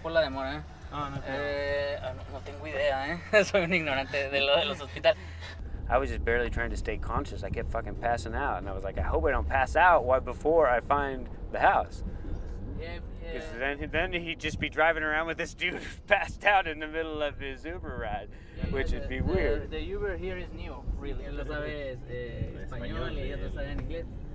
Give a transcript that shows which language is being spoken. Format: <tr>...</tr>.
<es>por la demora, no tengo idea, Soy un ignorante de lo de los hospitales.</es> <en>I was just barely trying to stay conscious. I kept fucking passing out, and I was like, I hope I don't pass out before I find the house. Because then he'd just be driving around with this dude passed out in the middle of his Uber ride, which would be weird. The Uber here is new, really.</en> <es>Él lo sabe español y él lo sabe en inglés.</es>